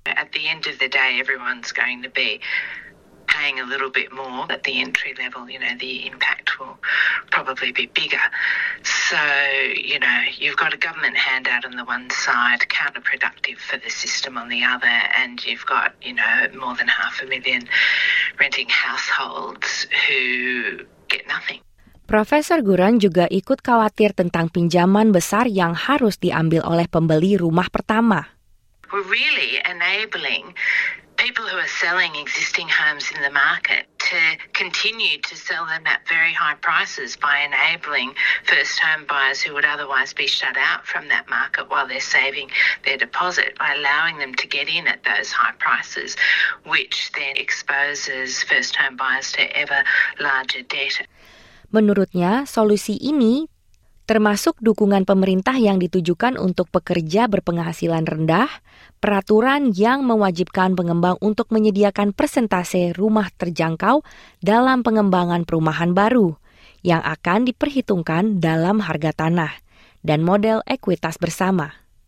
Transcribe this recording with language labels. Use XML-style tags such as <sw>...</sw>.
<en>At the end of the day, everyone's going to be paying a little bit more at the entry level, you know, the impact will probably be bigger. So, you know, you've got a government handout on the one side, counterproductive for the system on the other, and you've got, you know, more than 500,000 renting households who get nothing.</en> <id>Profesor Guran juga ikut khawatir tentang pinjaman besar yang harus diambil oleh pembeli rumah pertama.</id> <en>We're really enabling people who are selling existing homes in the market to continue to sell them at very high prices by enabling first home buyers who would otherwise be shut out from that market while they're saving their deposit by allowing them to get in at those high prices, which then exposes first home buyers to ever larger debt.</en> <id>Menurutnya, solusi ini termasuk dukungan pemerintah yang ditujukan untuk pekerja berpenghasilan rendah, peraturan yang mewajibkan pengembang untuk menyediakan persentase rumah terjangkau dalam pengembangan perumahan baru, yang akan diperhitungkan dalam harga tanah, dan model ekuitas bersama.</id>